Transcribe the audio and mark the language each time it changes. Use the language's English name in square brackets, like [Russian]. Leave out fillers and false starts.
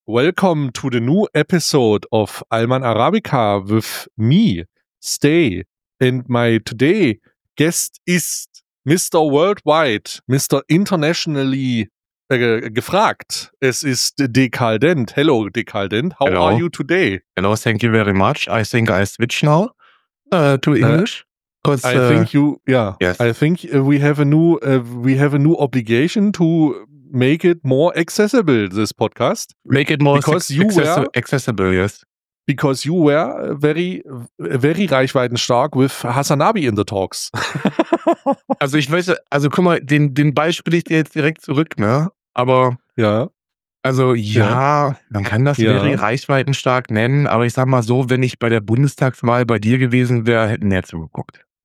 [English] Welcome to the new episode of Alman Arabica with me, Stay. And my today guest is Mr. Worldwide, Mr. Internationally gefragt. [German] Es ist [English] Dekaldent. Hello, Dekaldent. How are you today? Hello, thank you very much. I think I switch now to English. I think we have a new obligation to make it more accessible, this podcast. Make it more accessible, yes. Because you were very, very reichweitenstark with Hassanabi in the talks. [German] Also ich weiß, also guck mal, den Ball spiele ich dir jetzt direkt zurück, ne? Aber ja. Also ja, man kann das very reichweitenstark nennen, aber ich sag mal so, wenn ich bei der Bundestagswahl bei dir gewesen wäre, hätten wir zugeguckt.